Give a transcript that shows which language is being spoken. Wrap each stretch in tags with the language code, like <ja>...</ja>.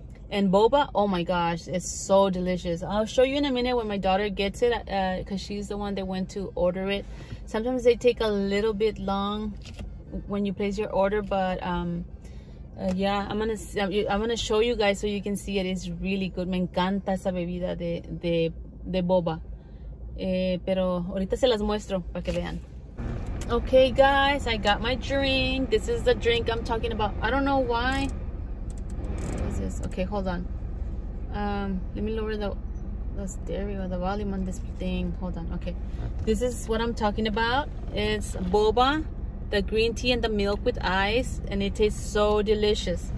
<en>And boba, oh my gosh, it's so delicious. I'll show you in a minute when my daughter gets it, because she's the one that went to order it. Sometimes they take a little bit long when you place your order, but yeah, I'm gonna show you guys so you can see it. It's really good.</en> <es>Me encanta esa bebida de boba. Pero ahorita se las muestro para que vean.</es> <en>Okay, guys, I got my drink. This is the drink I'm talking about. I don't know why. Okay, hold on. Let me lower the stereo, the volume on this thing. Hold on. Okay, this is what I'm talking about. It's boba, the green tea, and the milk with ice, and it tastes so delicious.</en>